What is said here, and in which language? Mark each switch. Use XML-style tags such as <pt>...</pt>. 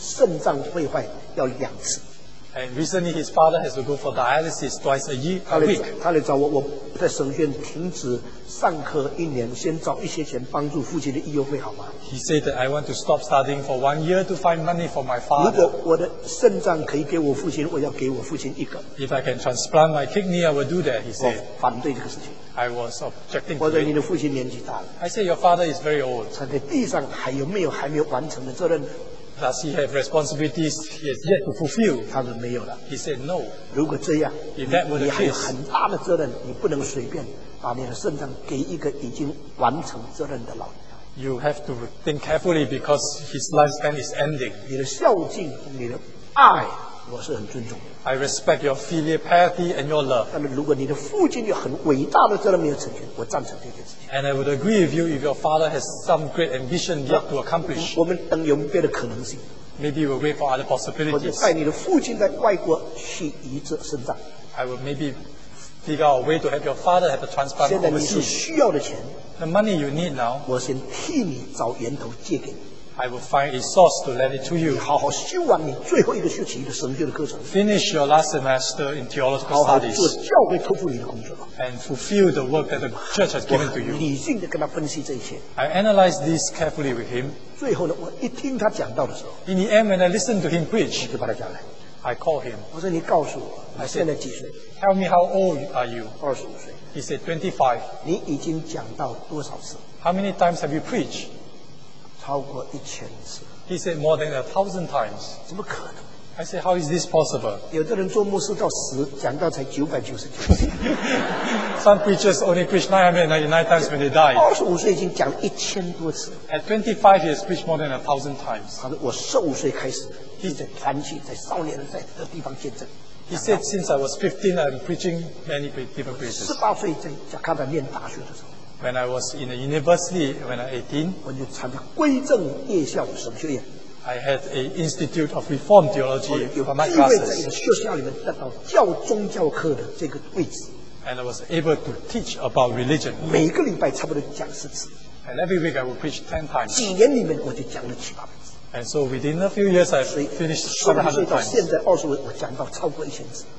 <zh>最近的他的父亲呢,要一个礼拜要换血,肾脏会坏,要两次。</zh> <en>And recently his father has to go for dialysis twice a year, a week.</en> <zh>他来找我,我在神学院停止上课一年,先找一些钱帮助父亲的医药费好吗?</zh> <en>He said that I want to stop studying for 1 year to find money for my father.</en> <zh>如果我的肾脏可以给我父亲,我要给我父亲一个。</zh> <en>If I can transplant my kidney, I will do that, he said.</en> <zh>我反对这个事情。</zh> <en>I was objecting to it.</en> <zh>或者你的父亲年纪大了。</zh> <en>I said your father is very old.</en> <zh>他在地上还有没有完成的责任?</zh> <en>Does he have responsibilities he has yet to fulfill?</en> <zh>他说没有了。</zh> <en>He said no.</en> <zh>如果这样,</zh> <en>if that were the case,</en> <zh>你还有很大的责任, 你不能随便把你的肾脏给一个已经完成责任的老人。</zh> <en>You have to think carefully because his lifespan is ending.</en> <zh>你的孝敬, 你的爱, 我是很尊重的。</zh> <en>I respect your filial piety and your love.</en> <zh>但是如果你的父亲有很伟大的责任没有成全, 我赞成这件事。</zh> <en>And I would agree with you if your father has some great ambition yet to accomplish.</en> <zh>我们等有别的可能性。</zh> <en>Maybe we'll wait for other possibilities.</en> <zh>或者带你的父亲在外国去移植肾脏。</zh> <en>I will maybe figure out a way to have your father have a transplant overseas.</en> <zh>现在你是需要的钱,</zh> <en>the money you need now,</en> <zh>我先替你找源头借给你。</zh> <en>I will find a source to lend it to you.</en> <zh>你好好修完你最后一个学期的神学的课程。</zh> <en>Finish your last semester in theological studies.</en> <zh>好好做教会托付你的工作。</zh> <en>And fulfill the work that the church has given to you.</en> <zh>理性地跟他分析这一切。</zh> <en>I analyze this carefully with him.</en> <zh>最后呢,我一听他讲到的时候,</zh> <en>in the end, when I listen to him preach,</en> <zh>我就把他叫来,</zh> <en>I call him.</en> <zh>我说你告诉我,</zh> <en>I said, tell me how old are you?</en> <zh>25岁。</zh> <en>He said, 25.</en> <zh>你已经讲到多少次?</zh> <en>How many times have you preached?</en> <zh>超过1000次。</zh> <en>He said more than 1000 times.</en> <zh>怎么可能?</zh> <en>I say, how is this possible?</en> <zh>有的人做牧师到十，讲到才九百九十九。</zh> <en>Some preachers only preach 999 times when they die.</en> <zh>二十五岁已经讲了一千多次。</zh> <en>At 25, he has preached more than 1,000 times.</en> <zh>好的，我十五岁开始，就在团契，在少年人在的地方见证。</zh> <en>He said, since I was 15, I'm preaching many different places.</en> <zh>十八岁在加拿大念大学的时候。</zh> <en>When I was in a university, when I was 18,</en> <zh>我就参加归正夜校神学院。</zh> <en>I had an Institute of Reform Theology for my classes. And I was able to teach about religion. And every week I would preach 10 times. And so within a few years I finished 700 times.</en>